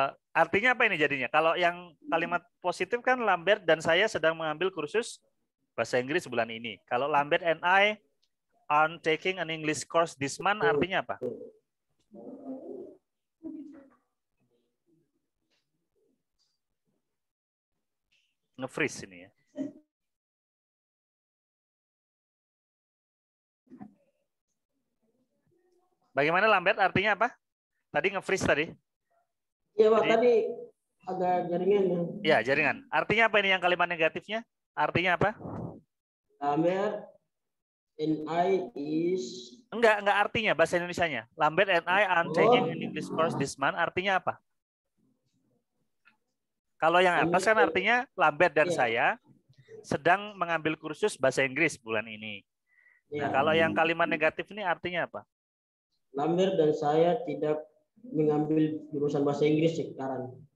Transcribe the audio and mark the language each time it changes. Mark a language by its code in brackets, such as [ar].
[id] Artinya apa ini jadinya? Kalau yang kalimat positif kan Lambert dan saya sedang mengambil kursus bahasa Inggris bulan ini. [en] Kalau Lambert and I aren't taking an English course this month, [id] artinya apa? Nge-freeze ini ya. Bagaimana Lambert? Artinya apa? Tadi nge-freeze tadi? Iya, Pak. Tadi agak jaringan. Iya, jaringan. Artinya apa ini yang kalimat negatifnya? Artinya apa? [en] Lambert and I is... [id] Enggak artinya bahasa Indonesianya. [en] Lambert and I aren't taking an English course this month. [id] Artinya apa? Kalau yang atas kan artinya Lambert dan saya sedang mengambil kursus bahasa Inggris bulan ini. Ya. Nah, kalau yang kalimat negatif ini artinya apa? Lambert dan saya tidak mengambil jurusan bahasa Inggris sekarang.